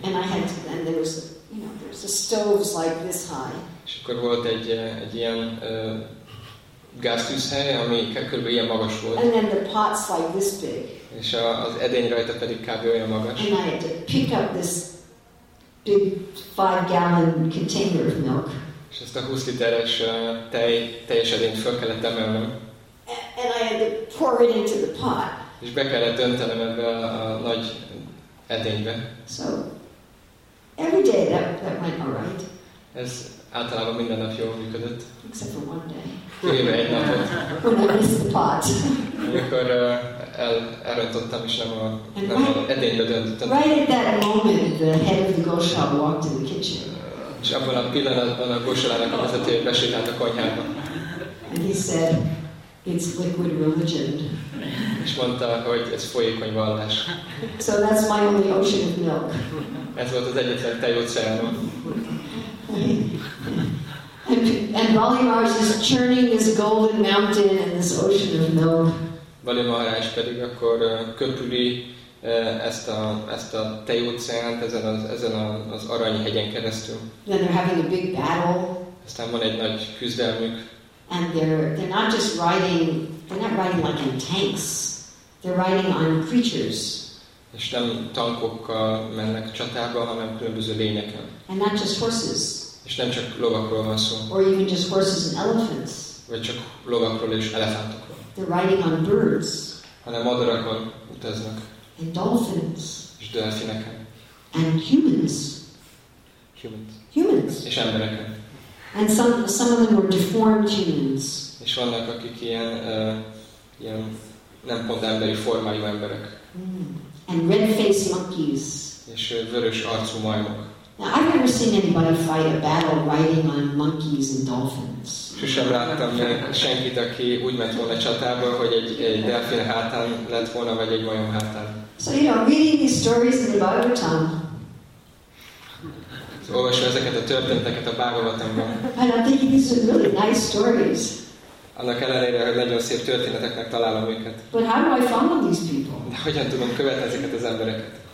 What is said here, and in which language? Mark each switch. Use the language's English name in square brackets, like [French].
[English] And there was, you know, there's a stoves like this high. [Hungarian] És akkor volt egy ilyen gáztűzhely, ami kb. Ilyen magas volt. [English] And then the pot's like this big. [Hungarian] És az edény rajta pedig kb. Olyan magas. [English] And I had to pick up this big 5-gallon container of milk. [Hungarian] És ezt a 20 literes teljes edényt fel kellett emelnem. [English] And I had to pour it into the pot. [Hungarian] És be kellett öntenem ebbe a nagy edénybe. [English] So every day that went all right. [Hungarian] Ez általában minden nap jól működött. [English] Except for one day. [Hungarian] Kivéve egy napot. [English] When I missed the pot. [Hungarian] Amikor elrontottam, és nem az edénybe döntöttem. [English] Right at that moment, the head of the ghost shop walked in the kitchen. [Hungarian] És abban a pillanatban a gosolának a vezető besétált a konyhába. [English] And he said, it's liquid religion. [Hungarian] És mondta, hogy ez folyékony vallás. [English] So that's my only ocean of milk. [Hungarian] Ez volt az egyetlen tejóceánom. [English] And Bali Maharaj is churning this golden mountain and this ocean of milk. [Hungarian] Bali Maharaj pedig akkor köpüli ezt a tejóceánt ezen az aranyhegyen keresztül. [English] Then they're having a big battle. [Hungarian] Aztán van egy nagy küzdelmük. [English] And they're not just riding, they're not riding like in tanks. They're riding on creatures. [Hungarian] És nem tankokkal mennek csatába, hanem különböző lényeken. [English] And not just horses. [Hungarian] És nem csak lovakról van szó. [English] Or even just horses and elephants. [Hungarian] Vagy csak lovakról és elefántokról. [English] They're riding on birds. [Hungarian] Hanem madarakon utaznak. [English] And dolphins. [Hungarian] És delfineken. [English] And humans. [Hungarian] Humans. És embereken. [English] And some of them were deformed humans. [Hungarian] És vannak, akik ilyen nem pont emberi formájú emberek. [English] And red-faced monkeys. [Hungarian] És vörös arcú majmok. [English] Now I've never seen anybody fight a battle riding on monkeys and dolphins. [Hungarian] Sosem láttam senkit, aki úgy ment volna csatába, hogy egy delfin hátán lett volna, vagy egy majom hátán. [English] So you know, reading these stories in the Bhagavatam. [Hungarian] So, olvasom ezeket a történeteket a Bhagavatamban. [English] And I'm thinking these are really nice stories. [Hungarian] Annak ellenére, hogy nagyon szép történeteknek találom őket. [English] But how do I follow these people? [Hungarian] De hogyan tudom követni ezeket az embereket?